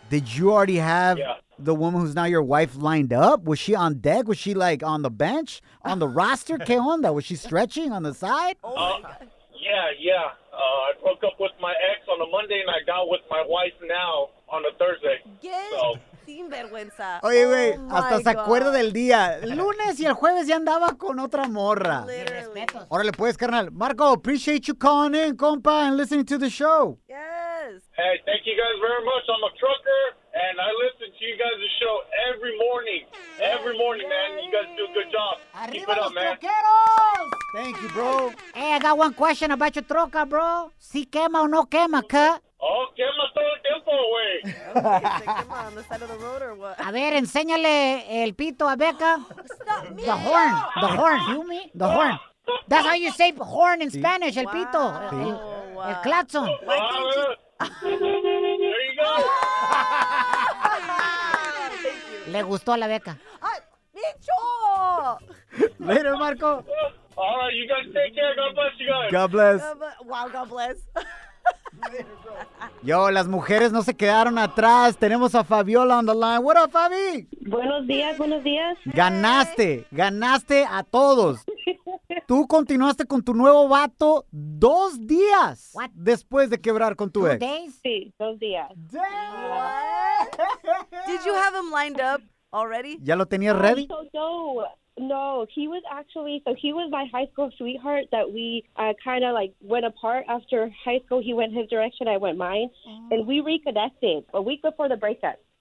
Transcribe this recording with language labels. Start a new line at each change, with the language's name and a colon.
English: Did you already have the woman who's now your wife lined up? Was she on deck? Was she, like, on the bench? On the roster?
Spanish: ¿Qué onda?
English: Was she stretching on the side? Yeah. I broke up with my ex on a Monday, and I got with my wife now on a Thursday.
Spanish: Sinvergüenza. Oye, güey, hasta se acuerda del día. Lunes y el jueves ya andaba con otra morra.
English: Literally.
Spanish: Órale, pues, carnal.
English: Marco, appreciate you calling in, compa, and listening to the show. Yes. Hey, thank you guys very much. I'm a trucker, and I listen to you guys' show every morning. Every morning, man. You guys do a good job.
Spanish: Arriba los truqueros.
English: Thank you, bro. Hey, I got one question about your troca, bro.
Spanish: Si quema o no quema, cut. A ver, enséñale el pito a Becca.
English: Stop the me. Horn, the horn, you me? The horn. That's how you say horn in Spanish,
Spanish: el pito.
English: Wow.
Spanish: El, el claxon.
English: There you go.
Spanish: Le gustó a la Becca. Bicho.
English: Later, Marco. All right, you guys take care. God bless you guys. God bless. Wow, God bless.
Spanish: Yo, las mujeres no se quedaron atrás. Tenemos a
English: Fabiola on the line. What up, Fabi?
Spanish: Buenos días, buenos días. Ganaste, ganaste a todos. Tú continuaste con tu nuevo vato 2 días.
English: What?
Spanish: Después de quebrar con tu ex. Sí, 2 días.
English: Did you have him lined up already?
Spanish: ¿Ya lo tenías ready?
English: No, he was actually, so he was my high school sweetheart that we kind of like went apart after high school. He went his direction, I went mine. Oh. And we reconnected a week before the breakup.